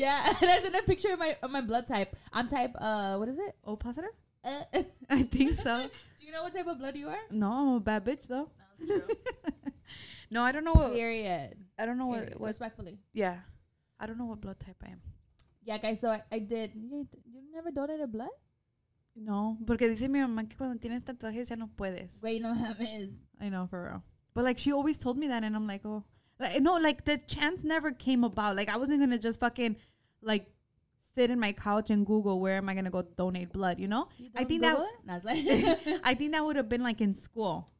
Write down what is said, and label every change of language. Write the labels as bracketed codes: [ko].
[en] Yeah. And I sent a picture of my blood type. I'm type, what is it? O positive? I think so. Do you know what type of blood you are? No, I'm a bad bitch, though. No, true. No, I don't know what. Period. I don't know what. Respectfully. Yeah. I don't know what blood type I am. Yeah, guys, so I did. You never donated blood? [es] No, porque dice mi mamá que cuando tienes tatuajes ya no puedes. Wait, no mames. [en] I know, for real. But, like, she always told me that, and I'm like, oh. Like, no, like, the chance never came about. Like, I wasn't going to just fucking, like, sit in my couch and Google where am I going to go donate blood, you know? I think that would have been, like, in school.